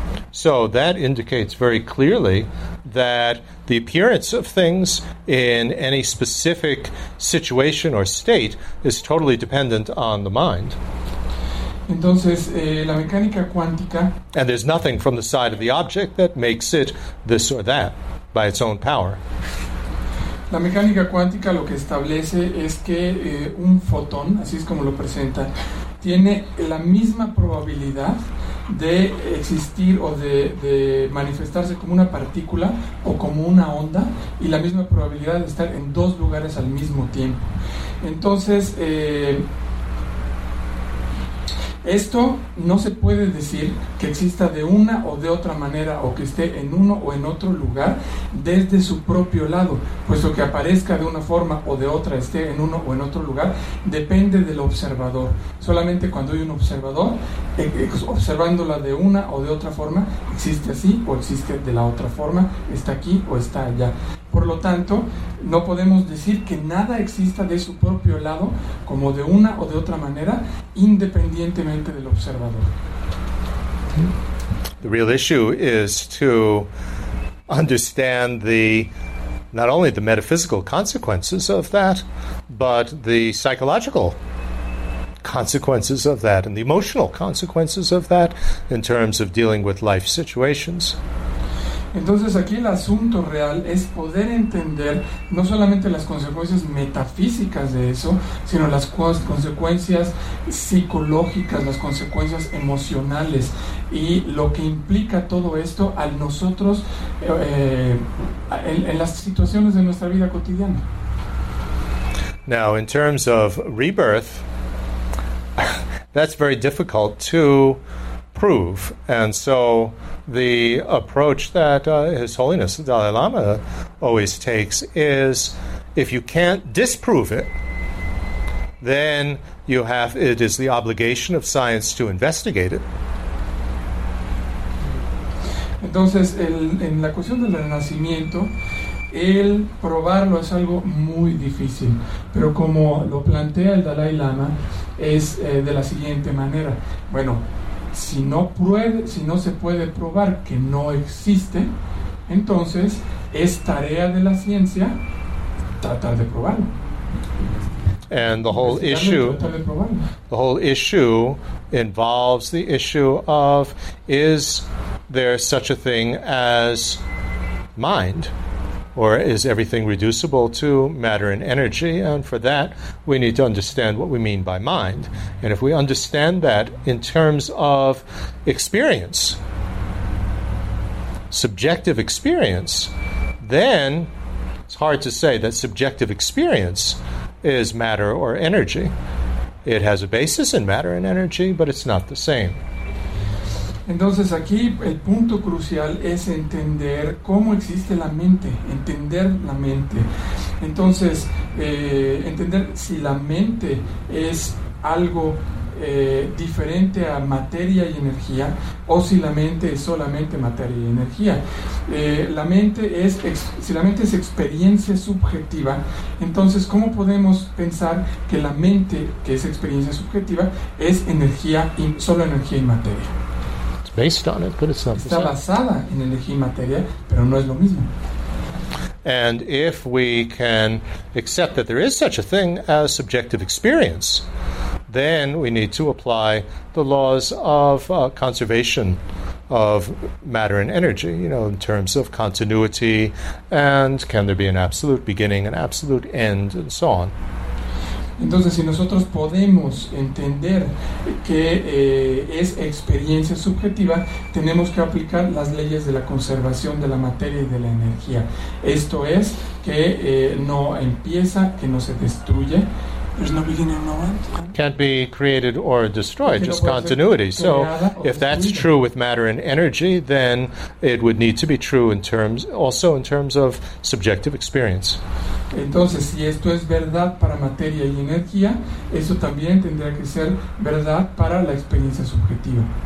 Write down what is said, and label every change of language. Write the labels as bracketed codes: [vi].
[en] So that indicates very clearly that the appearance of things in any specific situation or state is totally dependent on the mind. [es] Entonces, la mecánica cuántica, [en] and there's nothing from the side of the object that makes it this or that by its own power. [es] La mecánica cuántica lo que establece es que un fotón, así es como lo presenta, tiene la misma probabilidad de existir o de manifestarse como una partícula o como una onda y la misma probabilidad de estar en dos lugares al mismo tiempo. Entonces, esto no se puede decir que exista de una o de otra manera o que esté en uno o en otro lugar desde su propio lado, puesto que aparezca de una forma o de otra, esté en uno o en otro lugar, depende del observador. Solamente cuando hay un observador, observándola de una o de otra forma, existe así o existe de la otra forma, está aquí o está allá. Por lo tanto, no podemos decir que nada exista de su propio lado, como de una o de otra manera, independientemente del observador. [en] The real issue is to understand the not only the metaphysical consequences of that, but the psychological consequences of that and the emotional consequences of that in terms of dealing with life situations. [es] Entonces aquí el asunto real es poder entender no solamente las consecuencias metafísicas de eso, sino las consecuencias psicológicas, las consecuencias emocionales y lo que implica todo esto a nosotros en las situaciones de nuestra vida cotidiana. [en] Now, in terms of rebirth, that's very difficult to prove, and so the approach that His Holiness the Dalai Lama always takes is, if you can't disprove it, then you have, it is the obligation of science to investigate it. [es] Entonces, en la cuestión del renacimiento, el probarlo es algo muy difícil, pero como lo plantea el Dalai Lama, es de la siguiente manera. Bueno, si no se puede probar que no existe, entonces es tarea de la ciencia tratar de probarlo. [en] And the whole issue, the whole issue involves the issue of, is there such a thing as mind? Or is everything reducible to matter and energy? And for that, we need to understand what we mean by mind. And if we understand that in terms of experience, subjective experience, then it's hard to say that subjective experience is matter or energy. It has a basis in matter and energy, but it's not the same. [es] Entonces aquí el punto crucial es entender cómo existe la mente, entender la mente. Entonces, entender si la mente es algo diferente a materia y energía o si la mente es solamente materia y energía. Si la mente es experiencia subjetiva, entonces ¿cómo podemos pensar que la mente, que es experiencia subjetiva, es energía y solo energía y materia? [en] Based on it, but it's not [es] está basada en energía y materia, pero no es lo mismo. [en] And if we can accept that there is such a thing as subjective experience, then we need to apply the laws of conservation of matter and energy, you know, in terms of continuity and can there be an absolute beginning, an absolute end, and so on. [es] Entonces, si nosotros podemos entender que es experiencia subjetiva, tenemos que aplicar las leyes de la conservación de la materia y de la energía. Esto es que no empieza, que no se destruye, [en] There's no beginning, no end. Can't be created or destroyed, just continuity. So if that's true with matter and energy, then it would need to be true in terms, also in terms of subjective experience. [es] Entonces, si esto es verdad para materia y energía, eso también tendría que ser verdad para la experiencia subjetiva.